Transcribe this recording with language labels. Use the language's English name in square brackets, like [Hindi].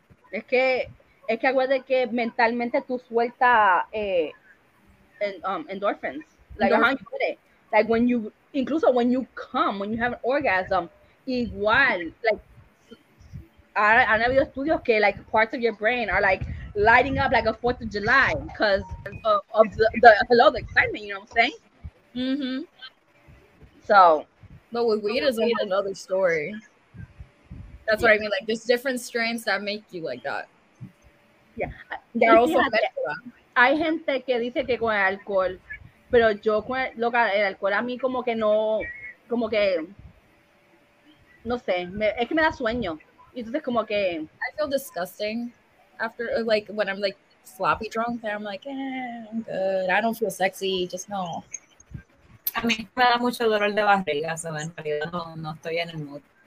[Spanish] Es que acuérdate que mentalmente tú sueltas endorphins. [English] Like, when you... [Spanish] Incluso [English] when you come, when you have an orgasm, igual, like, I've never studied okay, like parts of your brain are like lighting up like a 4th of July because of the excitement, you know what I'm saying? Mm-hmm. So. But with weed is another story. That's what I mean. Like, there's different strains that make you like that. Yeah. They're also better. [Spanish] Hay gente que dice que con alcohol. Pero yo, loca, el alcohol a mí como que no sé, es que me da sueño. Y entonces como que... [English] I feel disgusting after, like, when I'm, like, sloppy drunk, and I'm like, I'm good. I don't feel sexy, just no. [Spanish] A mí me da mucho dolor de barriga, so en realidad no estoy en el mood.